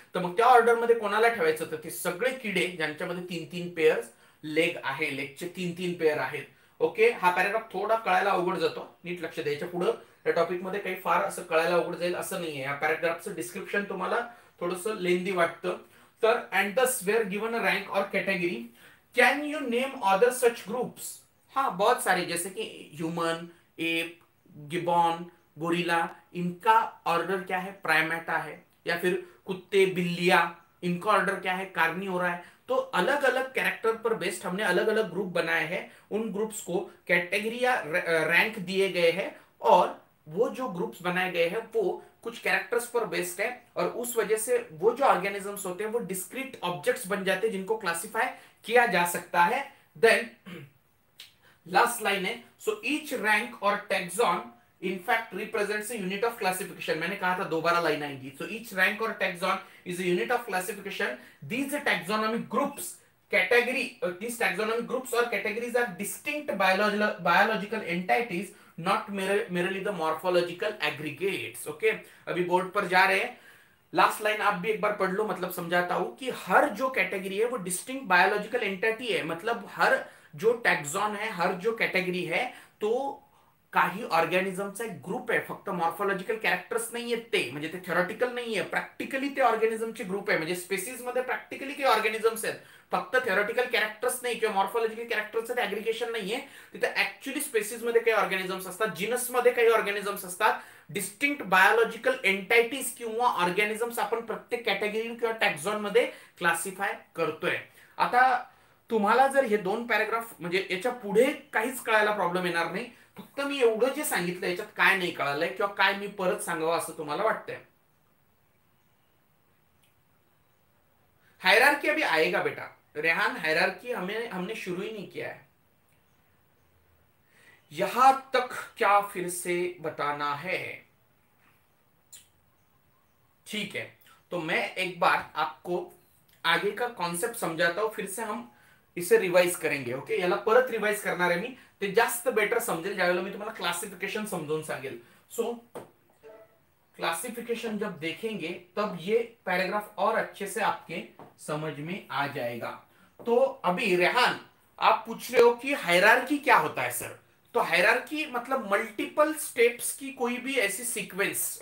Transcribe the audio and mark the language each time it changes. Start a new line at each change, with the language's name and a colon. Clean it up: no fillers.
Marathi: तर मग त्या ऑर्डर मध्ये कोणाला ठेवायचं, तर ते सगळे किडे ज्यांच्यामध्ये तीन तीन पेयर लेग आहे, लेगचे तीन तीन पेयर आहेत. ओके, हा पॅराग्राफ थोडा कळायला अवघड जातो, नीट लक्ष द्यायच्या पुढं या टॉपिक मध्ये काही फार असं कळायला अवघड जाईल असं नाहीये. या पॅराग्राफचं डिस्क्रिप्शन तुम्हाला थोडस लेंदी वाटतं. तर
English: And thus were given a rank or category can you name other such groups.
Hindi: हा बहुत सारे, जसे की ह्युमन, एप, गिबॉन, गोरिला, इनका ऑर्डर क्या है, प्राइमेट है, या फिर कुत्ते बिल्लिया, इनका ऑर्डर क्या है, कार्निवोरा है. तो अलग अलग कैरेक्टर पर बेस्ड हमने अलग अलग ग्रुप बनाए हैं, उन ग्रुप्स को कैटेगरी या रैंक दिए गए हैं, और वो जो ग्रुप्स बनाए गए हैं वो कुछ कैरेक्टर्स पर बेस्ड है, और उस वजह से वो जो ऑर्गेनिजम्स होते हैं वो डिस्क्रीट ऑब्जेक्ट्स बन जाते हैं जिनको क्लासीफाई किया जा सकता है.
English: then
Hindi: लास्ट लाइन है,
English: So each rank or taxon in fact represents a unit of classification.
Hindi: मैंने कहा था दोबारा लाइन आएगी.
English: So each rank or taxon is a unit of classification. These taxonomic groups category, these taxonomic groups or categories are distinct biological entities, not merely the morphological aggregates.
Hindi: Okay, अभी board पर जा रहे हैं. लास्ट लाइन आप भी एक बार पढ़ लो, मतलब समझाता हूं कि हर जो कैटेगरी है वो डिस्टिंक्ट बायोलॉजिकल एंटिटी है. मतलब हर जो टैक्सॉन है, हर जो कैटेगरी है,
Marathi: तो काही ऑर्गॅनिझमचा एक ग्रुप आहे. फक्त मॉर्फॉलॉजिकल कॅरेक्टर्स नाही आहेत ते, म्हणजे ते थिओरटिकल नाही आहे, प्रॅक्टिकली ते ऑर्गॅनिझमचे ग्रुप आहे. म्हणजे स्पेसिस मध्ये प्रॅक्टिकली काही ऑर्गॅनिझम्स आहेत, फक्त थिओरटिकल कॅरेक्टर्स नाही किंवा मॉर्फॉलॉजिकल कॅरेक्टर्स आहेत, ऍग्रिगेशन नाही आहे. तिथे ऍक्च्युअली स्पेसिस मध्ये काही ऑर्गॅनिझम्स असतात, जिनस मध्ये काही ऑर्गॅनिझम्स असतात. डिस्टिंक्ट बायोलॉजिकल एंटिटीज किंवा ऑर्गॅनिझम्स आपण प्रत्येक कॅटेगरी किंवा टॅक्झॉन मध्ये क्लासिफाय करतोय. आता तुम्हाला जर हे दोन पॅराग्राफ, म्हणजे याच्या पुढे काहीच कळायला प्रॉब्लेम येणार नाही, फक्त मी एवढं जे सांगितलं याच्यात काय नाही कळालंय किंवा काय मी परत सांगावं असं तुम्हाला वाटतंय.
Hindi: हायरार्की अभी आएगा बेटा, रेहान हायरार्की हमने शुरू ही नहीं किया है. यहां तक क्या फिर से बताना है, ठीक है? तो मैं एक बार आपको आगे का कॉन्सेप्ट समझाता हूं, फिर से हम इसे रिवाइज करेंगे.
Marathi: ओके, याला परत रिवाइज करणार आहे मी, ते जास्त बेटर समजेल ज्यावेळेला मी तुम्हाला क्लासिफिकेशन समजून सांगेल.
Hindi: सो क्लासिफिकेशन जब देखेंगे तब ये पैराग्राफ और अच्छे से आपके समझ में आ जाएगा. तो अभी रेहान आप पूछ रहे हो कि हायरार्की क्या होता है सर. तो हायरार्की मतलब मल्टीपल स्टेप्स की कोई भी ऐसी सीक्वेंस.